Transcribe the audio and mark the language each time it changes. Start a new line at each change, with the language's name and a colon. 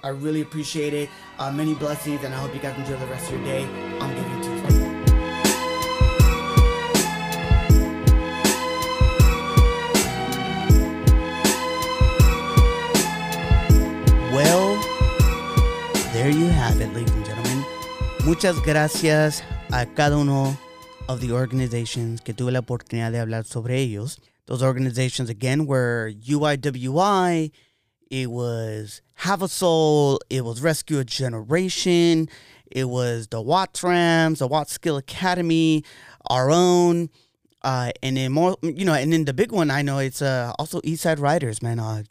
English: I really appreciate it. Many blessings, and I hope you guys enjoy the rest of your day. I'm giving to you. Well, there you have it, ladies and gentlemen.
Spanish: Muchas gracias a cada uno
English: of the organizations
Spanish: que tuve la oportunidad de hablar sobre ellos.
English: Those organizations, again, were UIWI, it was Have a Soul, it was Rescue a Generation, it was the Watts Rams, the Watts Skill Academy, our own, and then more, you know, and then the big one I know, it's also Eastside Riders, man.